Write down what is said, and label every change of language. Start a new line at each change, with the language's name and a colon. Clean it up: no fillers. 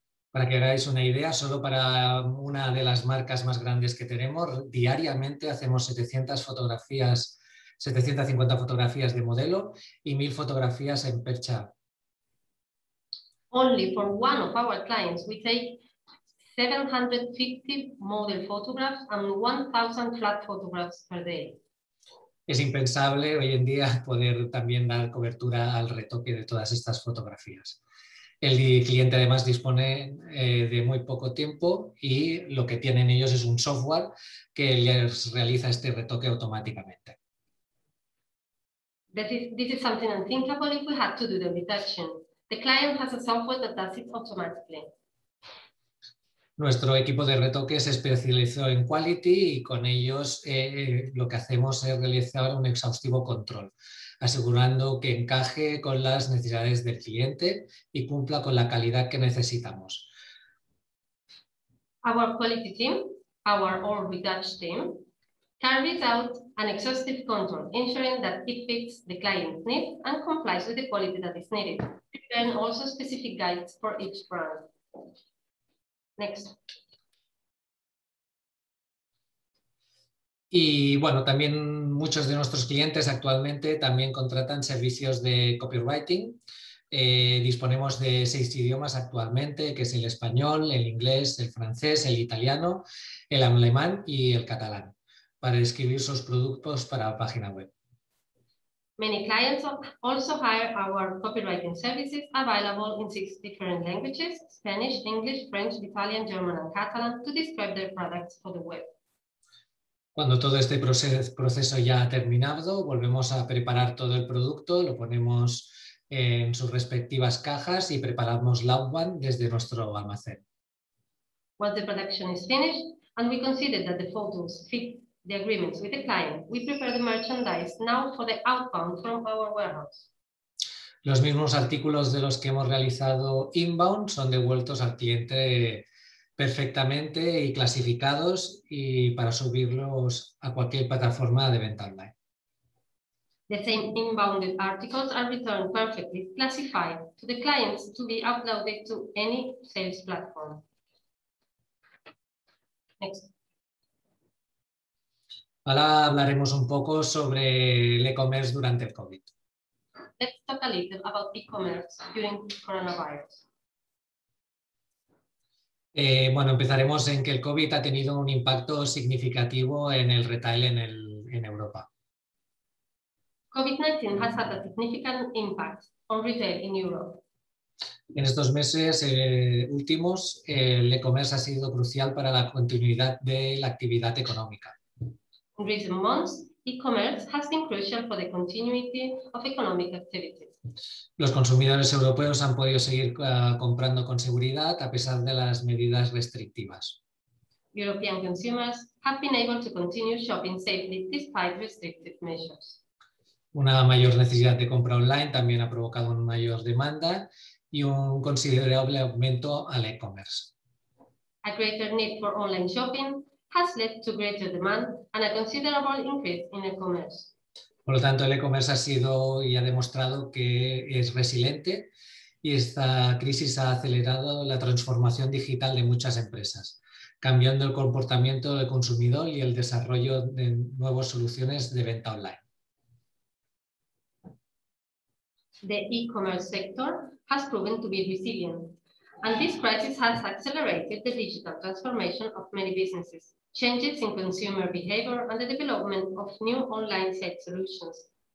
Spanish: Para que hagáis una idea, solo para una de las marcas más grandes que tenemos, diariamente hacemos 700 fotografías, 750 fotografías de modelo y 1000 fotografías en percha.
English: Only for one of our clients, we take 750 model photographs and 1000 flat photographs per day.
Spanish: Es impensable hoy en día poder también dar cobertura al retoque de todas estas fotografías. El cliente además dispone de muy poco tiempo y lo que tienen ellos es un software que les realiza este retoque automáticamente.
English: This is something unthinkable if we had to do the reduction. The client has a software that does it automatically.
Spanish: Nuestro equipo de retoque se especializó en quality y con ellos lo que hacemos es realizar un exhaustivo control, asegurando que encaje con las necesidades del cliente y cumpla con la calidad que necesitamos.
English: Our quality team, our all retouch team, carries out an exhaustive control, ensuring that it fits the client's needs and complies with the quality that is needed, and also specific guides for each brand. Next.
Spanish: Y bueno, también muchos de nuestros clientes actualmente también contratan servicios de copywriting. Disponemos de 6 idiomas actualmente, que es el español, el inglés, el francés, el italiano, el alemán y el catalán, para escribir sus productos para la página web.
English: Many clients also hire our copywriting services, available in 6 different languages, Spanish, English, French, Italian, German, and Catalan, to describe their products for the web.
Spanish: Cuando todo este proceso ya ha terminado, volvemos a preparar todo el producto, lo ponemos en sus respectivas cajas y preparamos la outbound desde nuestro almacén.
English: Once the production is finished, and we consider that the photos fit the agreements with the client, we prepare the merchandise now for the outbound from our warehouse.
Spanish: Los mismos artículos de los que hemos realizado inbound son devueltos al cliente perfectamente y clasificados y para subirlos a cualquier plataforma de venta online.
English: The same inbound articles are returned perfectly classified to the clients to be uploaded to any sales platform. Next.
Spanish: Ahora hablaremos un poco sobre el e-commerce durante el COVID.
English: Let's talk a little about e-commerce during coronavirus.
Spanish: Bueno, empezaremos en que el COVID ha tenido un impacto significativo en el retail en Europa.
English: COVID-19 has had a significant impact on retail in Europe.
Spanish: En estos meses últimos, el e-commerce ha sido crucial para la continuidad de la actividad económica.
English: In recent months, e-commerce has been crucial for the continuity of economic activities.
Spanish: Los consumidores europeos han podido seguir comprando con seguridad a pesar de las medidas restrictivas.
English: European consumers have been able to continue shopping safely despite restrictive measures.
Spanish: Una mayor necesidad de compra online también ha provocado una mayor demanda y un considerable aumento al e-commerce.
English: A greater need for online shopping has led to greater demand and a considerable increase in e-commerce.
Spanish: Por lo tanto, el e-commerce ha sido y ha demostrado que es resiliente y esta crisis ha acelerado la transformación digital de muchas empresas, cambiando el comportamiento del consumidor y el desarrollo de nuevas soluciones de venta online.
English: The e-commerce sector has proven to be resilient. And this crisis has accelerated the digital transformation of many businesses, changes in consumer behavior and the development of new online sales solutions.